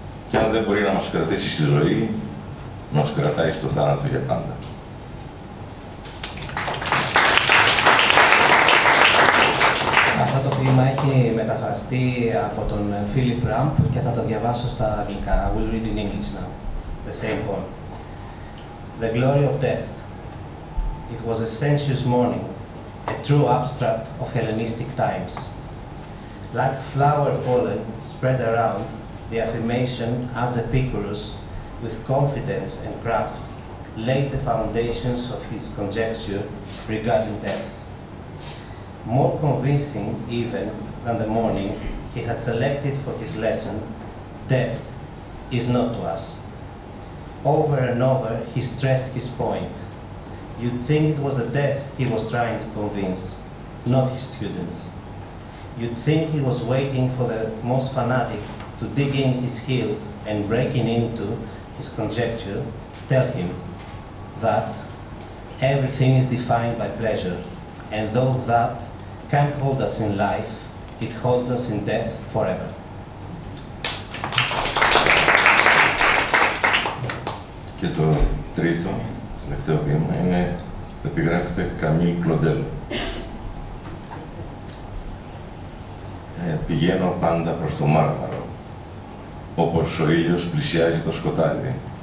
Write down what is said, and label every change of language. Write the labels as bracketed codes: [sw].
[el] Και αν δεν μπορεί να μας κρατήσει στη ζωή, μας κρατάει στο θάνατο για πάντα. Αυτό το ποίημα έχει μεταφραστεί από τον Philip Ramp και θα το διαβάσω στα αγγλικά. [en] I will read in English now. The same poem. The glory of death. It was a sensuous morning, a true abstract of Hellenistic times. like flower pollen spread around, the affirmation as a Epicurus, with confidence and craft, laid the foundations of his conjecture regarding death. More convincing even than the morning, he had selected for his lesson, death is not to us. Over and over, he stressed his point. You'd think it was a death he was trying to convince, not his students. You'd think he was waiting for the most fanatic to dig in his heels and breaking into his conjecture, tell him that everything is defined by pleasure, and though that can't hold us in life, it holds us in death forever. [el] Και το τρίτο, τελευταίο ποίημα, είναι επιγράφεται Καμίλ Κλοντέλ. Πηγαίνω πάντα προς το μάρμαρο, όπως ο ήλιος πλησιάζει το σκοτάδι.